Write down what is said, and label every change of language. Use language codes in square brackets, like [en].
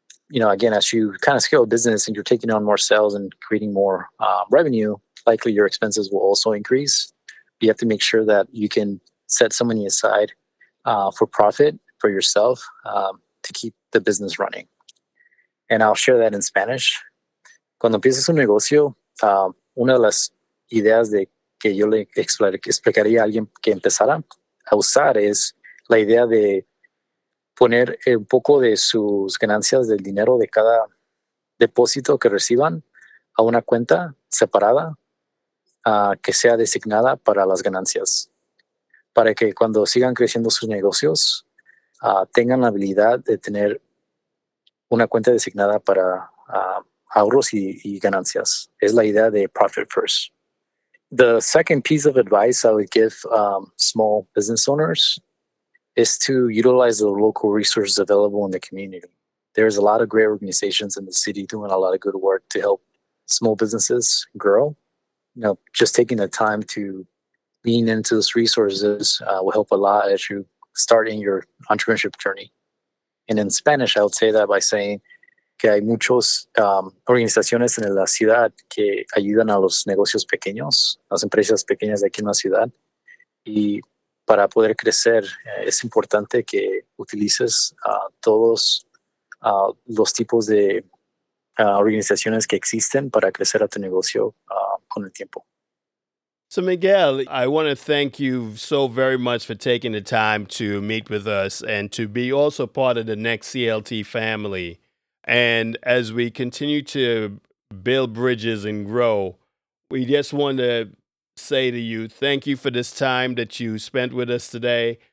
[en] You know, again, as you kind of scale a business and you're taking on more sales and creating more revenue, likely your expenses will also increase. You have to make sure that you can set some money aside for profit for yourself to keep the business running. And I'll share that in Spanish. [es] Cuando empiezas un negocio, una de las ideas de que yo le explicaría a alguien que empezara a usar es la idea de poner un poco de sus ganancias del dinero de cada depósito que reciban a una cuenta separada que sea designada para las ganancias, para que cuando sigan creciendo sus negocios tengan la habilidad de tener una cuenta designada para ahorros y ganancias. Es la idea de profit first. [en] The second piece of advice I would give small business owners is to utilize the local resources available in the community. There's a lot of great organizations in the city doing a lot of good work to help small businesses grow. You know, just taking the time to lean into those resources will help a lot as you start in your entrepreneurship journey. And in Spanish, I would say that by saying [es] que hay muchos organizaciones en la ciudad que ayudan a los negocios pequeños, las empresas pequeñas de aquí en la ciudad. Y para poder crecer, es importante que utilices todos los tipos de organizaciones que existen para crecer a tu negocio con el tiempo. [en] So Miguel, I want to thank you so very much for taking the time to meet with us and to be also part of the NeXT CLT family. And as we continue to build bridges and grow, we just want to say to you, thank you for this time that you spent with us today.